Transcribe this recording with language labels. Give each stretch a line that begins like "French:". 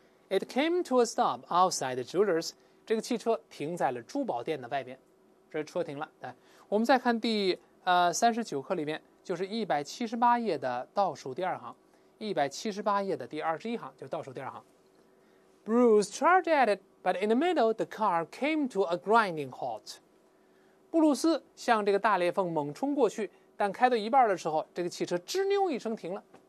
English: It came to a stop outside the jewelers，
Chinese: 这个汽车停在了珠宝店的外边，这车停了。来，我们再看第39课里面，就是178页的倒数第二行。 178页的第21行，就倒数第二行。
English: Bruce charged at it, but in the middle, the car came to a grinding halt.
Chinese: 布鲁斯向这个大裂缝猛冲过去，但开到一半的时候，这个汽车吱扭一声停了。